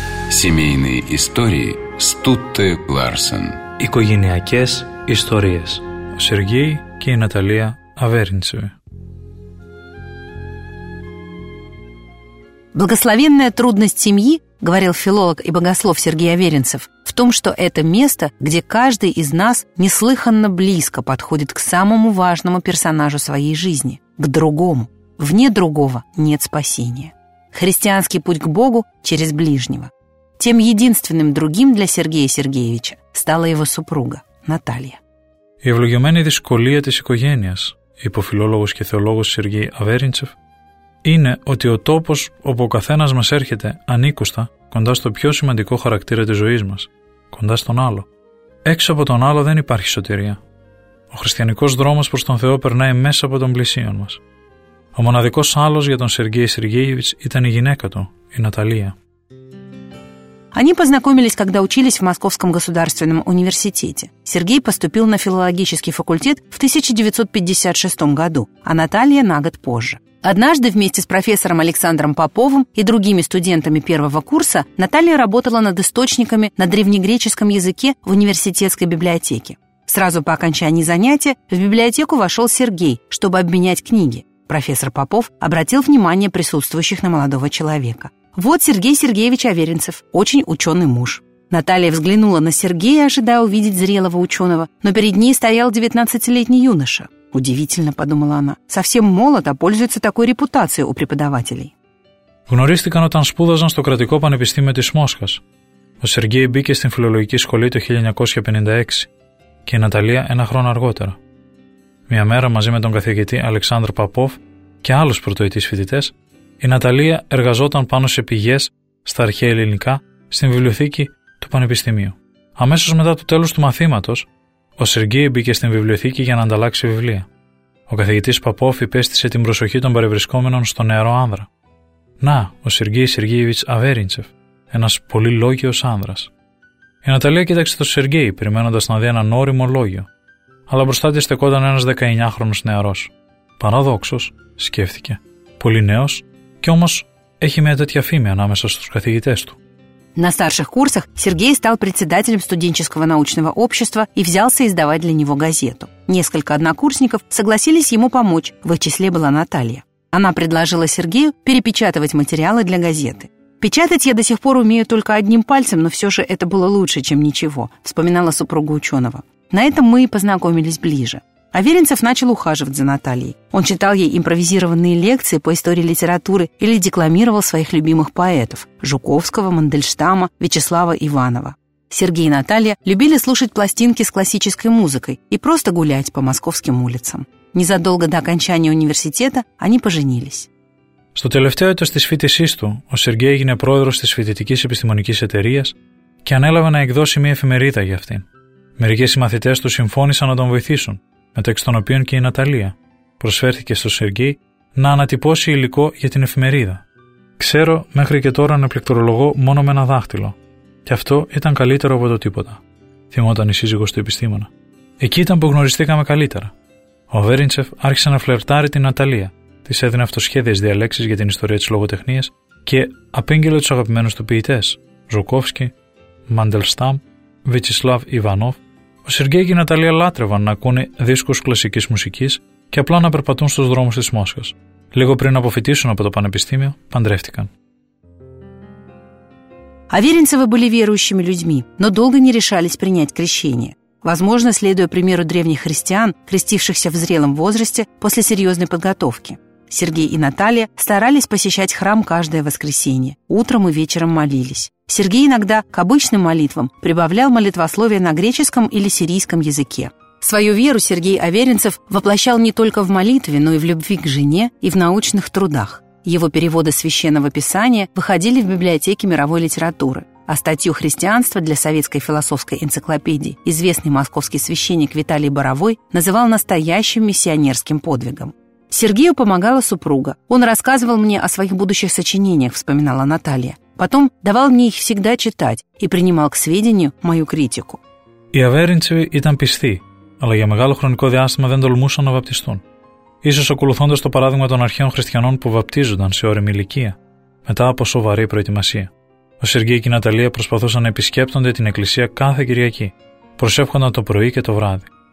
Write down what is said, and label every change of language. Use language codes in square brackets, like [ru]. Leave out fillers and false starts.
[ru] Семейные истории Стутте Ларсен. [el] Οικογενειακές ιστορίες. Ο Σεργέη και η Ναταλία Αβέρνησεβε. [ru] Благословенная трудность семьи, говорил филолог и богослов Сергей Аверинцев, в том, что это место, где каждый из нас неслыханно близко подходит к самому важному персонажу своей жизни, к другому. Вне другого нет спасения. Христианский путь к Богу через ближнего. Тем единственным другим для Сергея Сергеевича стала его супруга Наталья. [el] Η ευλογημένη δυσκολία της οικογένειας, είπε ο φιλόλογος και θεολόγος Σεργέι Αβέριντσεφ, είναι ότι ο τόπος όπου ο καθένας μας έρχεται ανήκουστα κοντά στο πιο σημαντικό χαρακτήρα της ζωής μας, κοντά στον άλλο. Έξω από τον άλλο δεν υπάρχει σωτηρία. Ο χριστιανικός δρόμος προς τον Θεό περνάει μέσα από τον πλησίον μας. Ο μοναδικός άλλος για τον Σεργέι Σεργέιεβιτς ήταν η γυναίκα του, η Ναταλία. [ru] Они познакомились, когда учились в Московском государственном университете. Сергей поступил на филологический факультет в 1956 году, а Наталья на год позже. Однажды вместе с профессором Александром Поповым и другими студентами первого курса Наталья работала над источниками на древнегреческом языке в университетской библиотеке. Сразу по окончании занятия в библиотеку вошел Сергей, чтобы обменять книги. Профессор Попов обратил внимание присутствующих на молодого человека. «Вот Сергей Сергеевич Аверинцев, очень ученый муж». Наталья взглянула на Сергея, ожидая увидеть зрелого ученого, но перед ней стоял 19-летний юноша. «Удивительно», — подумала она, — «совсем молод, а пользуется такой репутацией у преподавателей». [el] Гнористикан όταν σπούδαζαν στο κρατικό πανεπιστήμιο της Μόσχας. Ο Сергей μπήκε στην φιλολογική σχολή το 1956 και η Ναταλία ένα χρόνο αργότερα. Μια μέρα μαζί με τον καθηγητή Αλεξάνδρ Παπόφ και άλλους πρωτοετής φοιτητές, η Ναταλία εργαζόταν πάνω σε πηγές στα αρχαία ελληνικά στην βιβλιοθήκη του Πανεπιστημίου. Αμέσως μετά το τέλος του μαθήματος, ο Σεργέι μπήκε στην βιβλιοθήκη για να ανταλλάξει βιβλία. Ο καθηγητής Παπόφ υπέστησε την προσοχή των παρευρισκόμενων στο νεαρό άνδρα. Να, ο Σεργέι Σεργέιεβιτς Αβέριντσεφ, ένας πολύ λόγιος άνδρας. Η Ναταλία κοίταξε τον Σεργέι, περιμένοντας να δει έναν όριμο λόγιο. Αλλά μπροστά της στεκόταν ένας 19χρονος νεαρός. Παραδόξος, σκέφτηκε. Πολύ νέος, και όμως έχει μια τέτοια φήμη ανάμεσα στους καθηγητές του. [ru] На старших курсах Сергей стал председателем студенческого научного общества и взялся издавать для него газету. Несколько однокурсников согласились ему помочь, в их числе была Наталья. Она предложила Сергею перепечатывать материалы для газеты. «Печатать я до сих пор умею только одним пальцем, но все же это было лучше, чем ничего», — вспоминала супруга ученого. На этом мы и познакомились ближе. Аверинцев начал ухаживать за Натальей. Он читал ей импровизированные лекции по истории литературы или декламировал своих любимых поэтов – Жуковского, Мандельштама, Вячеслава Иванова. Сергей и Наталья любили слушать пластинки с классической музыкой и просто гулять по московским улицам. Незадолго до окончания университета они поженились. [el] Στο τελευταίο έτος της φοιτησής του, ο Сергей έγινε πρόεδρος της φοιτητικής επιστημονικής εταιρείας και ανέλαβε να εκδώσει μια εφημερίδα για αυτήν. Μερικοί συμμαθητές του συμφώνησαν να τον βοηθήσουν, μεταξύ των οποίων και η Ναταλία. Προσφέρθηκε στο Σεργέι να ανατυπώσει υλικό για την εφημερίδα. «Ξέρω, μέχρι και τώρα να πληκτρολογώ μόνο με ένα δάχτυλο. Και αυτό ήταν καλύτερο από το τίποτα», θυμόταν η σύζυγος του επιστήμονα. Εκεί ήταν που γνωριστήκαμε καλύτερα. Ο Αβέριντσεφ άρχισε να φλερτάρει την Ναταλία, της έδινε αυτοσχέδιες διαλέξεις για την ιστορία της λογοτεχνίας και απήγγειλε τους αγαπημένους του ποιητές, Ζουκόφσκι, Μαντελστάμ, Βιτσισλάβ Ιβανόφ. Ο Σεργέι και η Ναταλία λάτρευαν να ακούνε δίσκους κλασικής μουσικής και απλά να περπατούν στους δρόμους της Μόσχας. Λίγο πριν αποφοιτήσουν από το πανεπιστήμιο, παντρεύτηκαν. [ru] Аверинцевы были верующими людьми, но долго не решались принять крещение. Возможно, следуя примеру древних христиан, крестившихся в зрелом возрасте после серьезной подготовки. Сергей и Наталья старались посещать храм каждое воскресенье. Утром и вечером молились. Сергей иногда к обычным молитвам прибавлял молитвословие на греческом или сирийском языке. Свою веру Сергей Аверинцев воплощал не только в молитве, но и в любви к жене и в научных трудах. Его переводы Священного Писания выходили в библиотеке мировой литературы. А статью «Христианство» для советской философской энциклопедии известный московский священник Виталий Боровой называл настоящим миссионерским подвигом. «Сергею помогала супруга. Он рассказывал мне о своих будущих сочинениях», — вспоминала Наталья. «Потом давал мне их всегда читать и принимал к сведению мою критику». [el] Οι Αβέριντσεβοι ήταν πιστοί, αλλά για μεγάλο χρονικό διάστημα δεν τολμούσαν να βαπτιστούν. Ίσως ακολουθώντας το παράδειγμα των αρχαίων χριστιανών που βαπτίζονταν σε όρημη ηλικία, μετά από σοβαρή προετοιμασία. Ο Σεργέι και η Ναταλία προσπαθούσαν να επισκέπτονται την εκκλησία κάθε Κυριακή, προσεύχονταν το πρωί και το βράδυ.